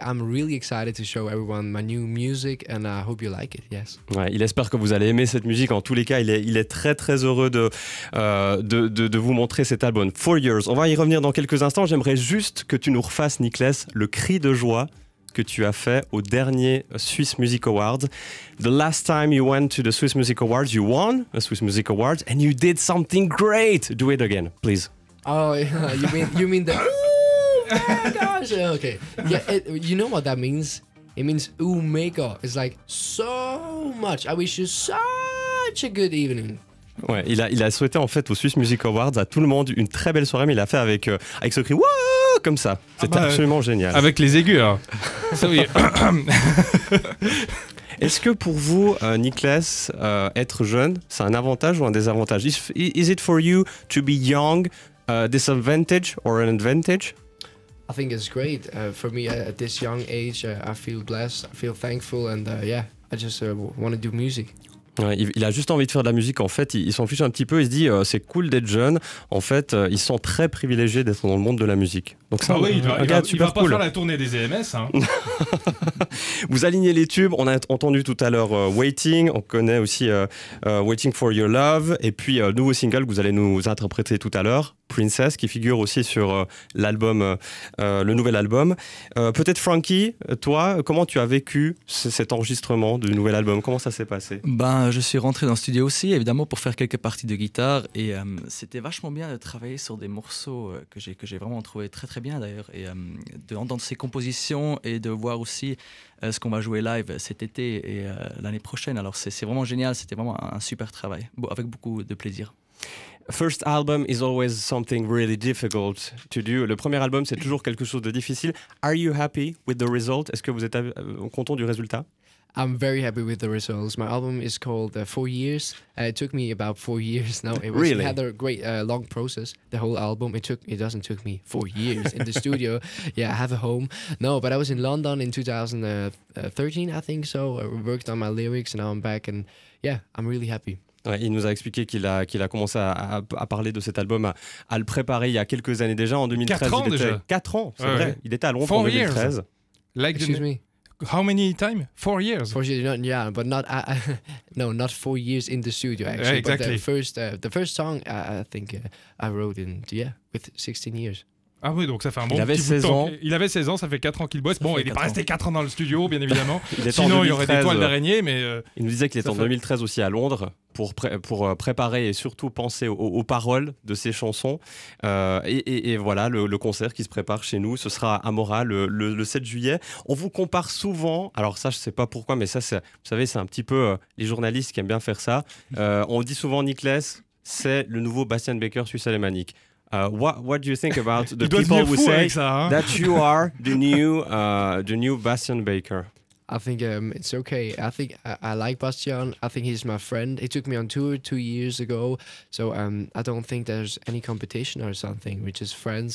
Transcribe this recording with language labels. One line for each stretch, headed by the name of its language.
English: I'm really excited to show everyone my new music and I hope you like it. Yes.
French: Ouais, il espère que vous allez aimer cette musique. En tous les cas, il est très très heureux de vous montrer cet album. 4 years. On va y revenir dans quelques instants. J'aimerais juste que tu nous refasses, Nicholas, le cri de joie que tu as fait au dernier Swiss Music Awards.
English: The last time you went to the Swiss Music Awards, you won a Swiss Music Awards and you did something great. Do it again, please. Oh, you mean the Oh my gosh! Okay. Yeah, you know what that means? It means Omega. It's like so much. I wish you such a good evening.
French: Ouais, il a souhaité en fait au Swiss Music Awards à tout le monde une très belle soirée, mais il a fait avec ce cri wouh comme ça. C'était absolument génial. Avec les aigus. Hein. Est-ce que pour vous, Nicholas, être jeune, c'est un avantage ou un désavantage?
English: Is it for you to be young a disadvantage or an advantage? I think it's great. For me, at this young age, I feel blessed, I feel thankful, and I just want to do music.
French: Ouais, il a juste envie de faire de la musique, en fait, il s'en fiche un petit peu, il se dit c'est cool d'être jeune, en fait, il se sent très privilégié d'être dans le monde de la musique. Donc ça, il va pas faire la tournée des EMS. Hein. Vous alignez les tubes, on a entendu tout à l'heure Waiting, on connaît aussi Waiting for Your Love, et puis nouveau single que vous allez nous interpréter tout à l'heure, Princess, qui figure aussi sur l'album, le nouvel album. Peut-être Frankie, toi, comment tu as vécu cet enregistrement du nouvel album? Comment ça s'est passé? Ben, je suis rentré dans le studio aussi, évidemment, pour faire quelques parties de guitare. Et c'était vachement bien de travailler sur des morceaux que j'ai vraiment trouvé très très bien d'ailleurs. Et d'entendre ces compositions et de voir aussi ce qu'on va jouer live cet été et l'année prochaine. Alors c'est vraiment génial, c'était vraiment un super travail, avec beaucoup de plaisir.
English: First album is always something really difficult to do.
French: Le premier album, c'est toujours quelque chose de difficile.
English: Are you happy with the result?
French: Est-ce que vous êtes content du résultat?
English: I'm very happy with the results. My album is called 4 years. It took me about 4 years now. It was, really? It had a great long process, the whole album. It took me 4 years in the studio. Yeah, I have a home. No, but I was in London in 2013, I think so. I worked on my lyrics and now I'm back. And yeah, I'm really happy.
French: Ouais, il nous a expliqué qu'il a commencé à parler de cet album, à le préparer il y a quelques années déjà, en 2013. 4 ans déjà. 4 ans, c'est vrai. Il était à Londres en 2013.
English: Like Excuse me. How many times? 4 years. 4 years, not, yeah, but not, no, not 4 years in the studio, actually. Yeah, exactly. But the first song, I think, I wrote in, yeah, with 16 years.
French: Ah oui, donc ça fait un bon il petit bout de temps. Il avait 16 ans, ça fait 4 ans qu'il bosse. Ça bon, il est pas resté 4 ans dans le studio, bien évidemment. Sinon, il y aurait des toiles d'araignée, mais... Il nous disait qu'il était en 2013 aussi à Londres pour préparer et surtout penser aux paroles de ses chansons. Et voilà, le concert qui se prépare chez nous, ce sera à Mora le 7 juillet. On vous compare souvent, alors ça, je sais pas pourquoi, mais ça, c'est, vous savez, c'est un petit peu les journalistes qui aiment bien faire ça. On dit souvent, Nicholas, c'est le nouveau Bastien Becker suisse-alémanique.
English: What do you think about the people who say
French: ça, hein?
English: That you are the new Bastien Becker? I think it's okay. I think I like Bastian. I think he's my friend. He took me on tour 2 years ago. So I don't think there's any competition or something. We're just friends.